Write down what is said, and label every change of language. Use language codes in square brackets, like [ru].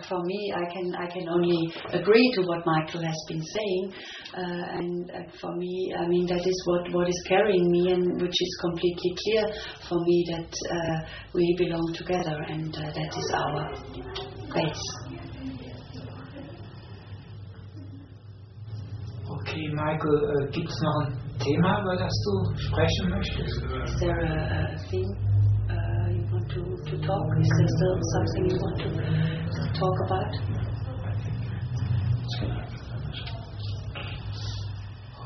[en] for me, I can only agree to what Michael has been saying. For me, I mean, that is what is carrying me and which is completely clear for me that we belong together and that is our base. [de] Okay, Michael, gibt es noch ein Thema, über das du sprechen möchtest? [en] Is there a theme you want to talk? Is there still something you want to talk about?